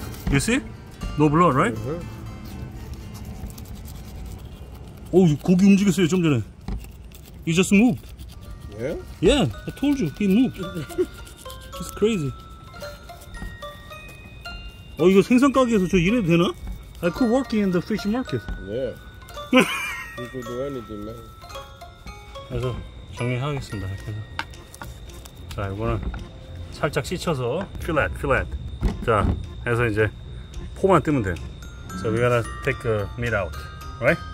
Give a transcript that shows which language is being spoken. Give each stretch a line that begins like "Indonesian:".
English: You see? No blood, right? Mm-hmm.
Korean: 오, 고기 움직였어요 좀 전에.
English: He just moved. Yeah? Yeah, I told you, he moved. It's crazy.
Korean: 어, 이거 생선 가게에서 저 일해도 되나?
English: I could work in the fish market. Yeah. You could do anything, man.
Korean: 그래서 정리하겠습니다. 그래서 자 이거는. 살짝 씻혀서 필렛 필렛 자 해서 이제 포만 뜨면 돼.
English: So we gotta take the meat out, right?